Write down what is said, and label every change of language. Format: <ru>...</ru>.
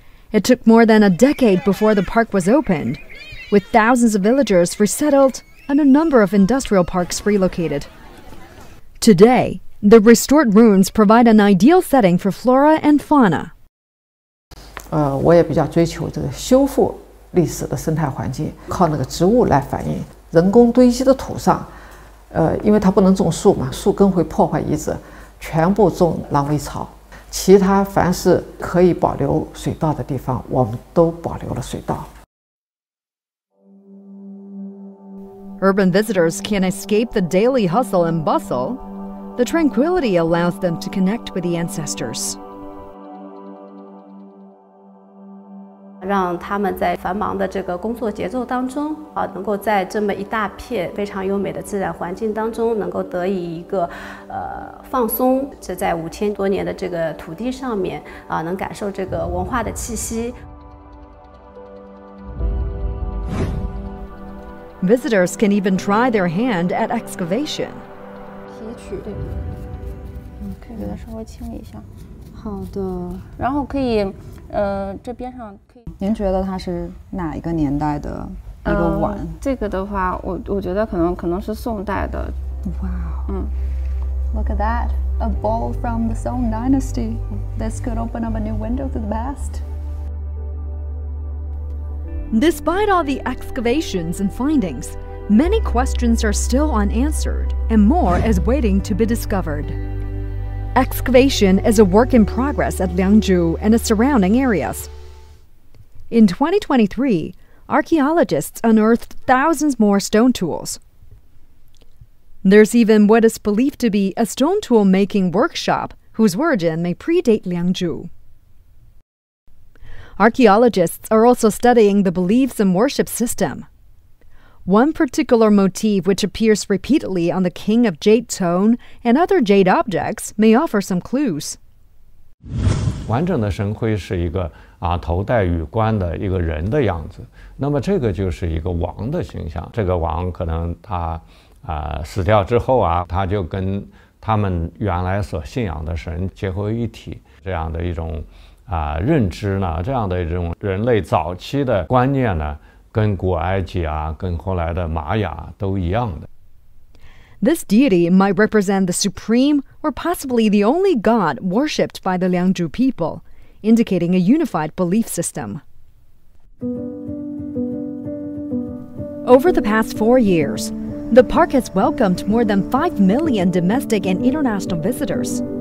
<en>It took more than a decade before the park was opened, with thousands of villagers resettled and a number of industrial parks relocated. Today, the restored ruins provide an ideal setting for flora and fauna.</en> <zh>我也比较追求这个修复历史的生态环境，靠那个植物来反映人工堆积的土上，因为它不能种树嘛，树根会破坏遗址，全部种狼尾草，其他凡是可以保留水稻的地方我们都保留了水稻。</zh> <en>Urban visitors can escape the daily hustle and bustle. The tranquility allows them to connect with the ancestors.</en> <zh>让他们在繁忙的这个工作节奏当中啊，能够在这么一大片非常优美的自然环境当中能够得以一个放松，这在五千多年的这个土地上面啊，能感受这个文化的气息。</zh> <en>Visitors can even try their hand at excavation.</en> <zh>提取对吧，可以给它稍微清理一下。好的，然后可以这边上可以。您觉得它是哪一个年代的一个碗？这个的话我觉得可能是宋代的。哇、</zh> <en>Look at that, a bowl from the Song dynasty. This could open up a new window to the past. Despite all the excavations and findings, many questions are still unanswered and more is waiting to be discovered. Excavation is a work in progress at Liangzhu and its surrounding areas. In 2023, archaeologists unearthed thousands more stone tools. There's even what is believed to be a stone tool making workshop whose origin may predate Liangzhu. Archaeologists are also studying the beliefs and worship system. One particular motif which appears repeatedly on the King of Jade Throne and other jade objects may offer some clues.</en> <zh>完整的神徽是一个头戴羽冠的一个人的样子，那么这个就是一个王的形象，这个王可能他死掉之后他就跟他们原来所信仰的神结合一体，这样的一种认知呢，这样的一种人类早期的观念呢，跟古埃及跟后来的玛雅都一样的。</zh> <en>This deity might represent the supreme or possibly the only god worshipped by the Liangzhu people, indicating a unified belief system. Over the past 4 years, the park has welcomed more than 5 million domestic and international visitors.</en>